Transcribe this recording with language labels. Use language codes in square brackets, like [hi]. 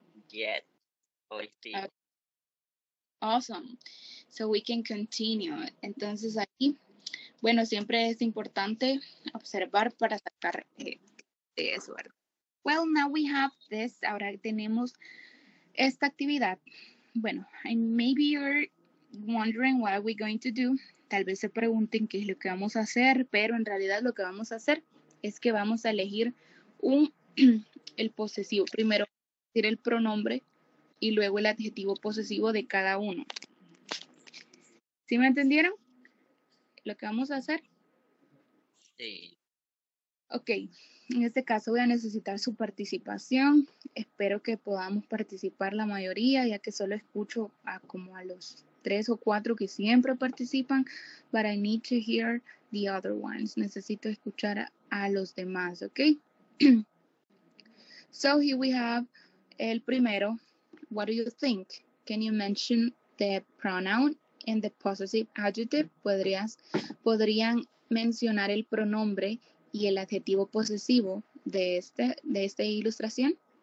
[en] Yes. Awesome. So we can continue. [es] Entonces aquí, bueno, siempre es importante observar para sacar de eso, ¿verdad? [en] Well, now we have this. [es] Ahora tenemos esta actividad. Bueno, [en] and maybe you're wondering what are we going to do. [es] Tal vez se pregunten qué es lo que vamos a hacer, pero en realidad lo que vamos a hacer es que vamos a elegir un el posesivo. Primero decir el pronombre y luego el adjetivo posesivo de cada uno. ¿Sí me entendieron? ¿Lo que vamos a hacer? Sí. Ok, en este caso voy a necesitar su participación. Espero que podamos participar la mayoría, ya que solo escucho a como a los 3 o 4 que siempre participan. [en] But I need to hear the other ones. [es] Necesito escuchar a los demás, [en] ok? So here we have [es] el primero. [en] What do you think? Can you mention the pronoun and the possessive adjective? [es] ¿Podrían mencionar el pronombre y el adjetivo posesivo de este de esta ilustración?